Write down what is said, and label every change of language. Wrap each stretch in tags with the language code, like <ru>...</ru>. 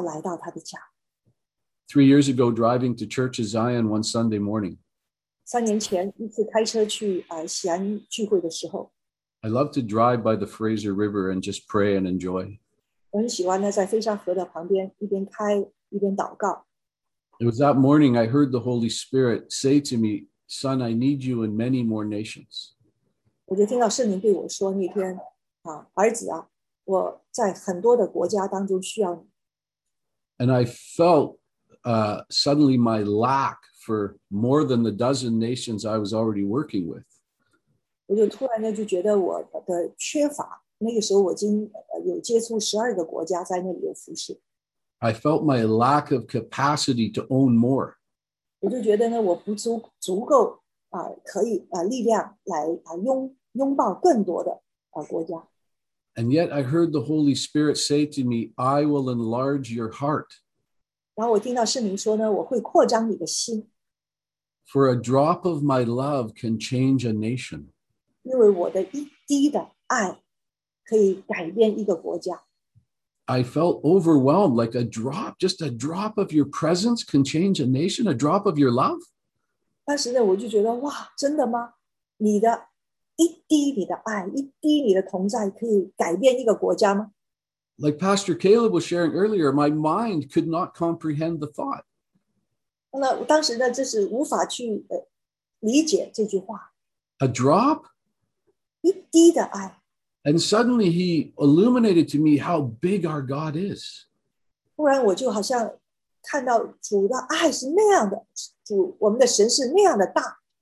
<zh>所以这样的一个爱的浇灌，这样的爱的洗礼，将要来到他的家。3</zh> <en>years ago, driving to Church of Zion one Sunday morning.</en> <zh>3年前一次开车去西安聚会的时候。</zh> <en>I love to drive by the Fraser River and just pray and enjoy.</en> <zh>我很喜欢呢，在飞沙河的旁边一边开一边祷告。</zh> <en>It was that morning I heard the Holy Spirit say to me, "Son, I need you in many more nations."</en> <zh>我就听到圣灵对我说那天啊，儿子啊，我在很多的国家当中需要你。</zh> <en>And I felt suddenly my lack for more than the dozen nations I was already working with.</en> <zh>我就突然就觉得我的缺乏，那个时候我已经有接触12个国家在那里有服事。</zh> <en>I felt my lack of capacity to own more.</en> <zh>我就觉得呢，我不足够可以力量来拥抱更多的国家。</zh> <en>And yet I heard the Holy Spirit say to me, I will enlarge your heart.</en> <zh>然后我听到圣灵说呢，我会扩张你的心。</zh> <en>For a drop of my love can change a nation.</en> <zh>因为我的一滴的爱可以改变一个国家。</zh> <en>I felt overwhelmed, like a drop, just a drop of your presence can change a nation, a drop of your love.</en> <zh>当时呢，我就觉得，哇，真的吗？你的一滴你的爱，一滴你的同在，可以改变一个国家吗？</zh> <en>Like Pastor Caleb was sharing earlier, my mind could not comprehend the thought.</en> <zh>那当时呢，就是无法去理解这句话。</zh> <en>A drop?</en> <zh>一滴的爱。</zh> <en>And suddenly he illuminated to me how big our God is.</en> <zh>突然我就好像看到主的爱是那样的，主，我们的神是那样的大。</zh>